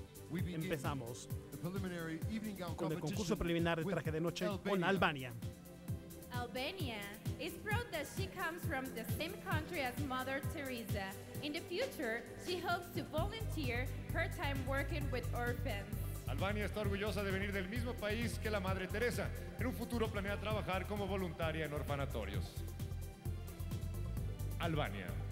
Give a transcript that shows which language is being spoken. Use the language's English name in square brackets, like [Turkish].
[Spanish] Empezamos con el concurso preliminar de traje de noche con Albania. [English] Albania is proud that she comes from the same country as Mother Teresa. In the future, she hopes to volunteer her time working with orphans. [Spanish] Albania está orgullosa de venir del mismo país que la Madre Teresa. En un futuro planea trabajar como voluntaria en orfanatorios. Albania.